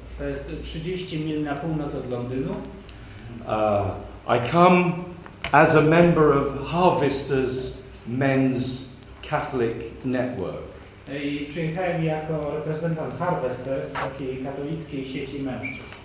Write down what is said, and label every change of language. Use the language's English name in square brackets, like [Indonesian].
[Polish] To jest 30 mil na północ od Londynu. [English] I come as a member of Harvester's Men's Catholic Network. [Polish] I przyjechałem jako reprezentant Harvester's, takiej katolickiej sieci mężczyzn.